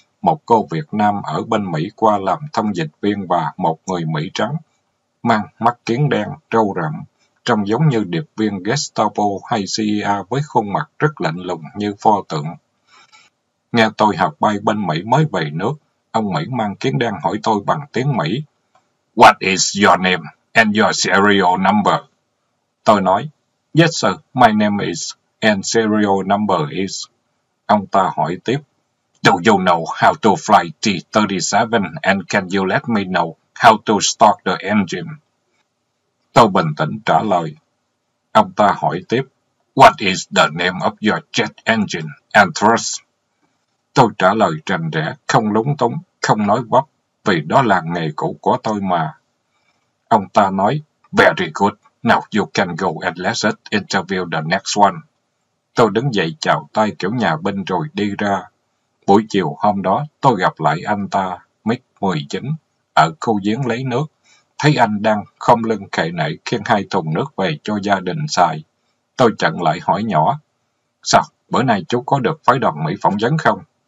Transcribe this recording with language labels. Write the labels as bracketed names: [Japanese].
[Vietnamese] một cô Việt Nam ở bên Mỹ qua làm thông dịch viên và một người Mỹ trắng, mang mắt kiến đen, râu rậm, trông giống như điệp viên Gestapo hay CIA với khuôn mặt rất lạnh lùng như pho tượng. Nghe tôi học bay bên Mỹ mới về nước, ông Mỹ mang kiến đen hỏi tôi bằng tiếng Mỹ. [English] What is your name and your serial number? [Vietnamese] Tôi nói, [English] yes sir, my name is and serial number is. [Vietnamese] Ông ta hỏi tiếp, [English] do you know how to fly T-37 and can you let me know how to start the engine? [Vietnamese] Tôi bình tĩnh trả lời. Ông ta hỏi tiếp, [English] what is the name of your jet engine and thrust? [Vietnamese] Tôi trả lời rành rẽ, không lúng túng, không nói vấp, vì đó là nghề cũ của tôi mà. Ông ta nói, [English] very good, now you can go and let us interview the next one. [Vietnamese] Tôi đứng dậy chào tay kiểu nhà binh rồi đi ra. Buổi chiều hôm đó, tôi gặp lại anh ta, MiG-19, ở khu giếng lấy nước. Thấy anh đang khom lưng khệ nệ khiêng hai thùng nước về cho gia đình xài. Tôi chặn lại hỏi nhỏ, sao, bữa nay chú có được phái đoàn Mỹ phỏng vấn không?